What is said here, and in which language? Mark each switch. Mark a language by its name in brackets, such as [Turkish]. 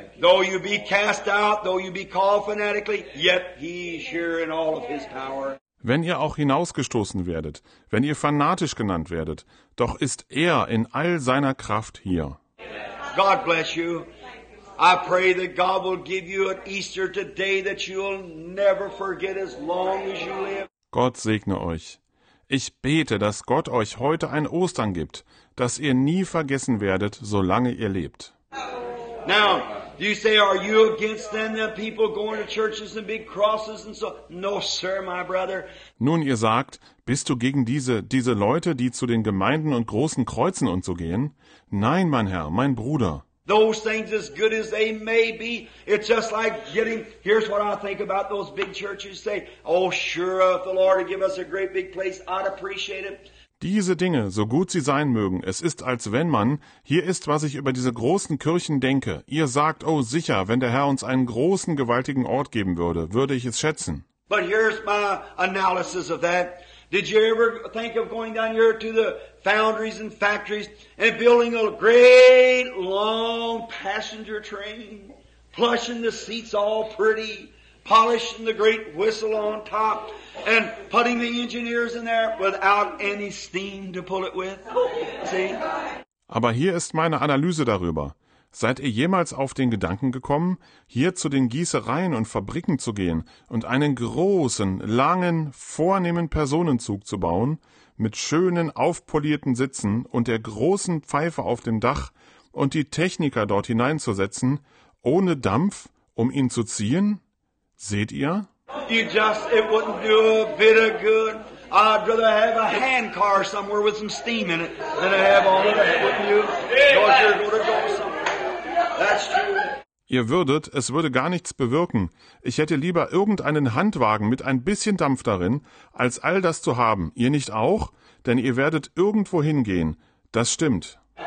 [English] Though you be cast out, though you be called fanatically, yet he is here in all of his power. [German] Wenn ihr auch hinausgestoßen werdet, wenn ihr fanatisch genannt werdet, doch ist er in all seiner Kraft hier. [English] God bless you. I pray that God will give you an Easter today that you'll never forget as long as you live. [German] Gott segne euch. Ich bete, dass Gott euch heute ein Ostern gibt, das ihr nie vergessen werdet, solange ihr lebt. [English] Now, do you say, are you against them, the people going to churches and big crosses and so? No, sir, my brother. [German] Nun, ihr sagt, bist du gegen diese Leute, die zu den Gemeinden und großen Kreuzen und so gehen? Nein, mein Herr, mein Bruder. [English] Those things, as good as they may be, it's just like getting, here's what I think about those big churches, say, oh, sure, if the Lord would give us a great big place, I'd appreciate it. [German] Diese Dinge, so gut sie sein mögen, es ist, als wenn man, hier ist, was ich über diese großen Kirchen denke. Ihr sagt, oh sicher, wenn der Herr uns einen großen, gewaltigen Ort geben würde, würde ich es schätzen. [English] But here's my analysis of that. Did you ever think of going down here to the foundries and factories and building a great, long passenger train, plushing the seats all pretty, polishing the great whistle on top and putting the engineers in there without any steam to pull it with. See? [German] Aber hier ist meine Analyse darüber. Seid ihr jemals auf den Gedanken gekommen, hier zu den Gießereien und Fabriken zu gehen und einen großen, langen, vornehmen Personenzug zu bauen mit schönen, aufpolierten Sitzen und der großen Pfeife auf dem Dach und die Techniker dort hineinzusetzen, ohne Dampf, um ihn zu ziehen? Seht ihr? [English] You just, it wouldn't do a bit of good. I'd rather have a hand car somewhere with some steam in it than to have all of that, wouldn't you? Because you're going to go somewhere. That's true. [German] Ihr würdet, es würde gar nichts bewirken. Ich hätte lieber irgendeinen Handwagen mit ein bisschen Dampf darin, als all das zu haben. Ihr nicht auch? Denn ihr werdet irgendwo hingehen. Das stimmt.